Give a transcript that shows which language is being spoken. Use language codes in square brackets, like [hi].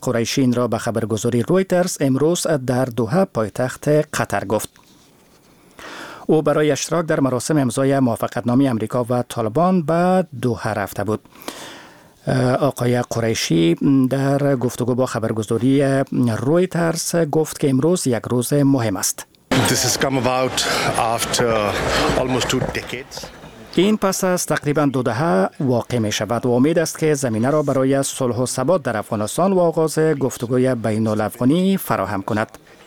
[fa] قریشی این را به خبرگزاری رویترز امروز در دوحه پایتخت قطر گفت. او برای اشتراک در مراسم امضای موافقتنامه آمریکا و طالبان به دوحه رفته بود. آقای قریشی در گفتگو با خبرگزاری رویترز گفت که امروز یک روز مهم است. [en] This has come about after almost two decades. [fa] این پس از تقریبا دو دهه واقع می شود و امید است که زمینه را برای صلح و ثبات در افغانستان و آغاز گفتگوی بین الافغانی فراهم کند.